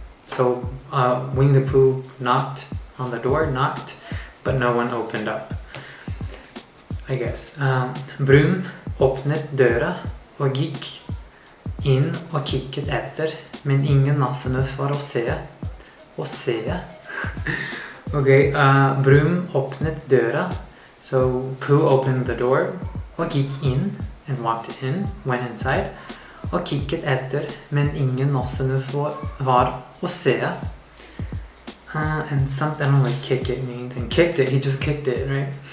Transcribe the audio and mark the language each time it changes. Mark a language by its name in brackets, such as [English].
[English] So, Winnie the Pooh knocked on the door, knocked, but no one opened up, I guess. [Norwegian] Brum åpnet døra og gikk inn og kikket etter, men ingen nassenøff var å se. Å se? Okay, Brum åpnet døra. [English] So, Pooh opened the door [Norwegian] og gikk inn [English] and walked in, went inside. [Norwegian] Og kikket etter, men ingen nassenøff var å se. [English] And something, I don't know what kick it means. And kicked it, he just kicked it, right?